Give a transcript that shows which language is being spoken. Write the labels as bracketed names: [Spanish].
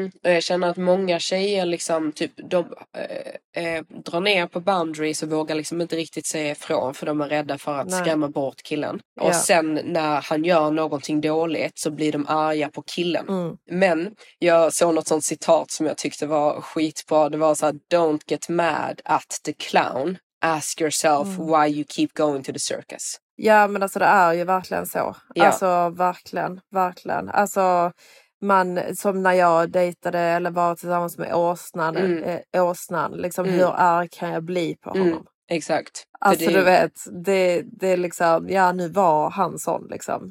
[Swedish] Och jag känner att många tjejer liksom typ de drar ner på boundaries och vågar liksom inte riktigt säga ifrån för de är rädda för att skrämma bort killen. Och sen när han gör någonting dåligt så blir de arga på killen. Men jag såg något sånt citat som jag tyckte var skitbra. Det var så här, [English] don't get mad at the clown. Ask yourself why you keep going to the circus. [Swedish] Ja, men alltså det är ju verkligen så. Alltså verkligen. Alltså man, som när jag dejtade eller var tillsammans med åsnan, liksom hur arg kan jag bli på honom? Exakt. Alltså du vet, det är liksom, ja nu var han sån liksom.